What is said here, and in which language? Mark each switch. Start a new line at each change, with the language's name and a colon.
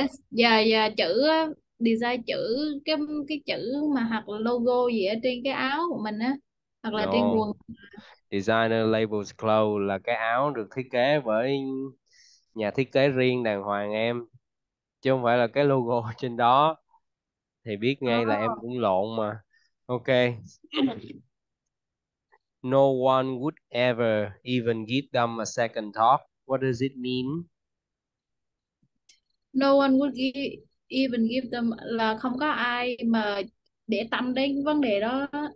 Vietnamese: Dạ dạ chữ design chữ cái chữ mà hoặc là logo gì ở trên cái áo của mình á hoặc là trên
English: No.
Vietnamese: quần. Designer labels clothes là cái áo được thiết kế bởi nhà thiết kế riêng đàng hoàng em, chứ không phải là cái logo trên đó. Thì biết ngay là em cũng lộn mà.
English: Ok. No one would ever even give them a second thought. What does it mean? No one would even give them
Vietnamese: là không có ai mà để tâm đến vấn đề đó.